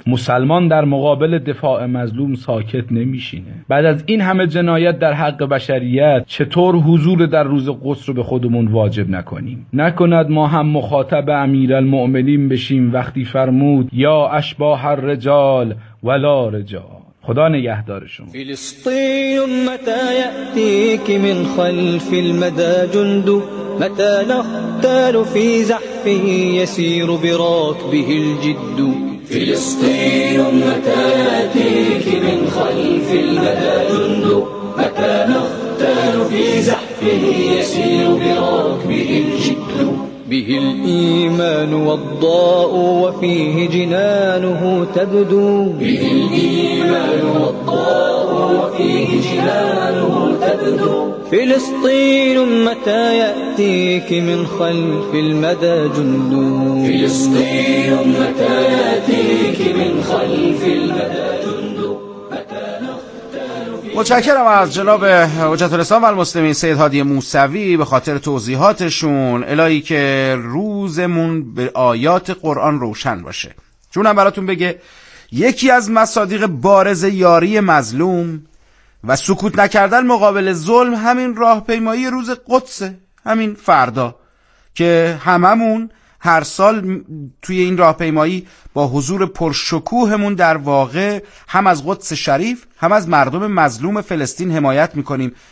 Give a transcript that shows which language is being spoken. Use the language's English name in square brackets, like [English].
[Persian] مسلمان در مقابل دفاع مظلوم ساکت نمیشینه. بعد از این همه جنایت در حق بشریت چطور حضور در روز قدس رو به خودمون واجب نکنیم؟ نکند ما هم مخاطب امیرالمؤمنین بشیم وقتی فرمود [Arabic] یا اشباح الرجال ولا رجال. [Persian] خدا نگهدار شما. [Arabic] فلسطین متى ياتيك من خلف المدى جند متى نختال في زحف يسير براكبه الجد فلسطين متى ياتيك من خلف المدى جند متى نختال في زحف يسير براكبه الجد به الإيمان والضاء وفيه جنانه تبدو به الإيمان والضاء وفيه جنانه تبدو فلسطين متى يأتيك من خلف المدى جند فلسطين متى يأتيك من خلف المدى [Persian] متشکرم از جناب حجت الاسلام و المسلمین سید هادی موسوی به خاطر توضیحاتشون. الهی که روزمون به آیات قرآن روشن باشه. جونم براتون بگه، یکی از مصادیق بارز یاری مظلوم و سکوت نکردن مقابل ظلم همین راهپیمایی روز قدسه، همین فردا که هممون هر سال توی این راهپیمایی با حضور پرشکوهمون در واقع هم از قدس شریف هم از مردم مظلوم فلسطین حمایت میکنیم.